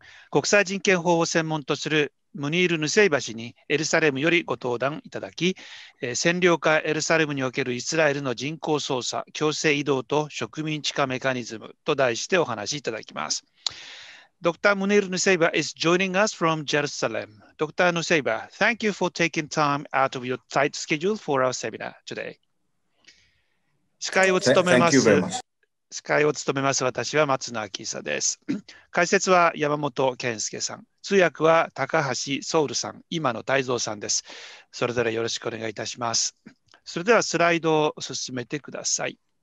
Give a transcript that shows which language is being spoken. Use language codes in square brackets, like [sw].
[ja] 国際人権法を専門とするムニール・ヌセイバ氏にエルサレムよりご登壇いただき、占領下エルサレムにおけるイスラエルの人口操作、強制移動と植民地化メカニズムと題してお話しいただきます。 [en] Dr. Munir Nuseiba is joining us from Jerusalem. Dr. Nuseiba, thank you for taking time out of your tight schedule for our seminar today. [ja] 司会を務めま [en] Thank you very [ja] す。 [en] much. [ja] 司会を務めます私は松野明久です。解説は山本健介さん、通訳は高橋ソウルさん、今野泰造さんです。それぞれよろしくお願いいたします。それではスライドを進めてください。